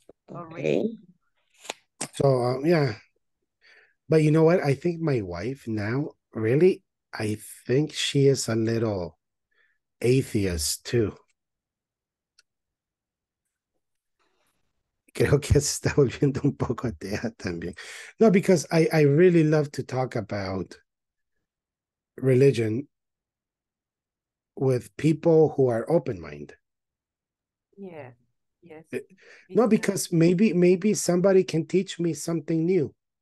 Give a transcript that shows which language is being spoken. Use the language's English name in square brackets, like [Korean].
[English] Okay. So yeah. But you know what? I think my wife now, really, I think she is a little atheist too. [Spanish] Creo que se está volviendo un poco atea también. [English] No, because I really love to talk about religion with people who are open-minded. Yeah, yes. No, because maybe somebody can teach me something new.